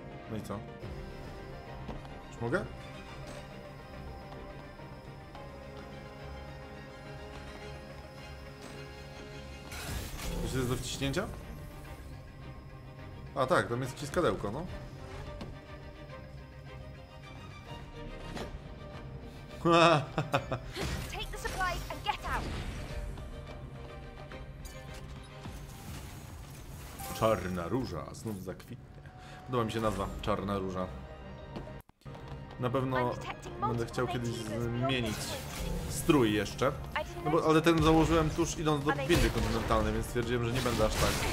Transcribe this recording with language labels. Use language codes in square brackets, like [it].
[pl] No i co? Czy mogę? To jest do wciśnięcia? A tak, tam jest wciskadełko, no. [en] Take the supplies and get out. [pl] Czarna róża znów zakwitnie. Podoba mi się nazwa Czarna róża. Na pewno będę chciał kiedyś zmienić strój jeszcze. No bo, ale ten założyłem tuż idąc do gwiazdy kontynentalnej, więc stwierdziłem, że nie będę aż tak.